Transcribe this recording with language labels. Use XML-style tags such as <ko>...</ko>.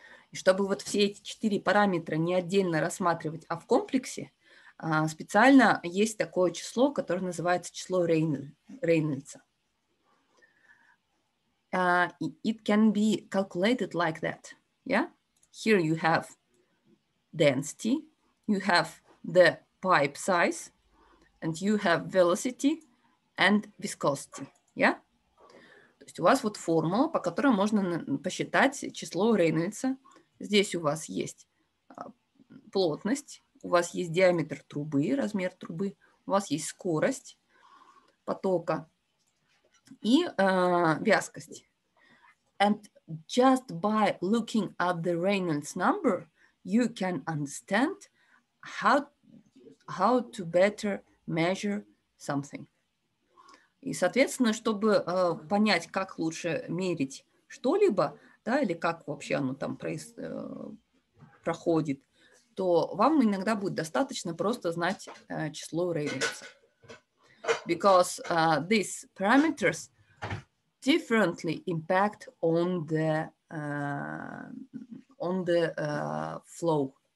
<ru>И чтобы вот все эти четыре параметра не отдельно рассматривать, а в комплексе, специально есть такое число, которое называется число Рейнольдса.</ru> <en>It can be calculated like that. Yeah, here you have density, you have the pipe size, and you have velocity and viscosity.</en> <ru>Yeah, то есть у вас вот формула, по которой можно посчитать число Рейнольдса. Здесь у вас есть плотность, у вас есть диаметр трубы, размер трубы, у вас есть скорость потока и вязкость.</ru> <en>And just by looking at the Reynolds number, you can understand how to better measure something.</en> <ru>И, соответственно, чтобы понять, как лучше мерить что-либо, да, или как вообще оно там проходит, то вам иногда будет достаточно просто знать число Reynolds.</ru> <en>Because these parameters differently impact on the flow.</en>